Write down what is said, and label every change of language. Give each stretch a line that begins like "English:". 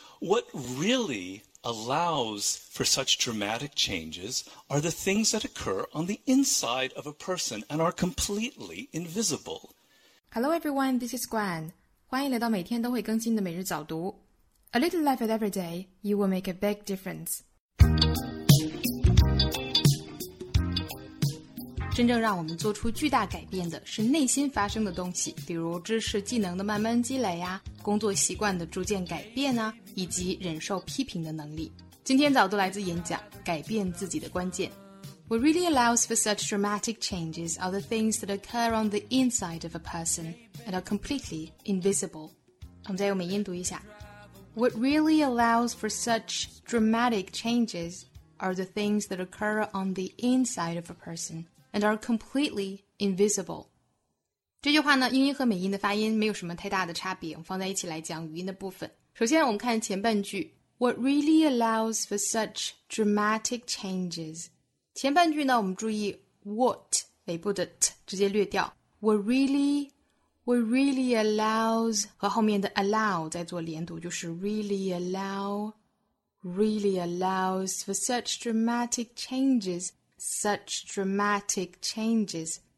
English: What really allows for such dramatic changes are the things that occur on the inside of a person and are completely invisible. Hello everyone, this is Gwen.
Chinese: 欢迎来到每天都会更新的每日早读。
English: A little effort every day, you will make a big difference.
Chinese: 真正让我们做出巨大改变的是内心发生的东西，比如知识技能的慢慢积累啊，工作习惯的逐渐改变啊，以及忍受批评的能力。今天早读来自演讲，改变自己的关键。
English: What really allows for such dramatic changes are the things that occur on the inside of a person and are completely invisible.
Chinese: 我们再用美音读一下。
English: What really allows for such dramatic changes are the things that occur on the inside of a person and are completely invisible.
Chinese: 这句话呢，英音和美音的发音没有什么太大的差别，我们放在一起来讲语音的部分。首先我们看前半句
English: What really allows for such dramatic changes?
Chinese: 前半句呢，我们注意 what 尾部的 t 直接略掉
English: What really allows
Chinese: 和后面的 allow 再做连读，就是
English: really allows for such dramatic changes, such dramatic changes.